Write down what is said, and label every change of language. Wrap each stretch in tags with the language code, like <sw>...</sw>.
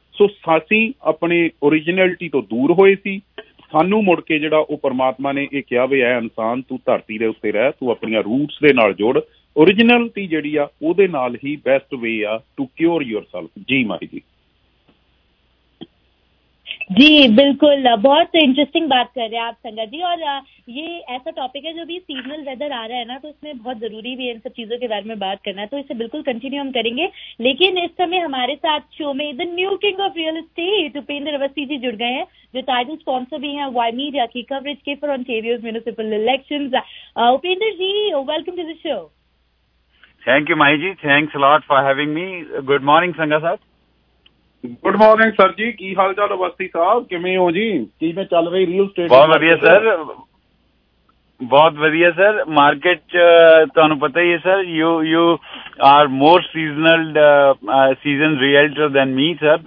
<pa>ਸੋ ਅਸੀਂ ਆਪਣੇ ਓਰਿਜਨੈਲਿਟੀ ਤੋਂ ਦੂਰ ਹੋਏ ਸੀ। ਸਾਨੂੰ ਮੁੜ ਕੇ ਜਿਹੜਾ ਉਹ ਪਰਮਾਤਮਾ ਨੇ ਇਹ ਕਿਹਾ ਵੀ ਹੈ, ਇਨਸਾਨ ਤੂੰ ਧਰਤੀ ਦੇ ਉੱਤੇ ਰਹਿ, ਤੂੰ ਆਪਣੀਆਂ ਰੂਟਸ ਦੇ ਨਾਲ ਜੁੜ, ਓਰਿਜਨੈਲਿਟੀ ਜਿਹੜੀ ਆ ਉਹਦੇ ਨਾਲ ਹੀ ਬੈਸਟ ਵੇ ਆ</pa> <en>To cure yourself.</en> <pa>ਜੀ ਮਾਈ ਜੀ,</pa> <hi>जी बिल्कुल, बहुत इंटरेस्टिंग बात कर रहे हैं आप संगत जी। और ये ऐसा टॉपिक है जो भी सीजनल वेदर आ रहा है ना, तो इसमें बहुत जरूरी भी है इन सब चीजों के बारे में बात करना है, तो इसे बिल्कुल कंटिन्यू हम करेंगे। लेकिन इस समय हमारे साथ शो में</hi> <en>the new king of real estate</en> <hi>Upendra Awasthi ji जुड़ गए हैं, जो टाइटल स्पॉन्सर भी हैं वाई मीडिया की कवरेज के for Ontario municipal elections.</hi> <en>Upendra ji, welcome to the show. Thank you Mahi ji, thanks a lot for having me. Good morning Sangat Sahab.</en> <pa>ਗੁਡ ਮਾਰਨਿੰਗ ਸਰ ਜੀ, ਕੀ ਹਾਲ ਚਾਲ? ਅਵਸਥੀ ਸਾਹਿਬ ਕਿਵੇਂ ਹੋ ਜੀ? ਕਿਵੇਂ ਚੱਲ ਰਹੀ ਰੀਅਲ ਸਟੇਟ? ਬਹੁਤ ਵਧੀਆ ਸਰ, ਬਹੁਤ ਵਧੀਆ ਸਰ। ਮਾਰਕੀਟ ਚ ਤੁਹਾਨੂੰ ਪਤਾ ਹੀ ਹੈ sir,</pa> <en>You are more seasonal season realtor than me sir.</en>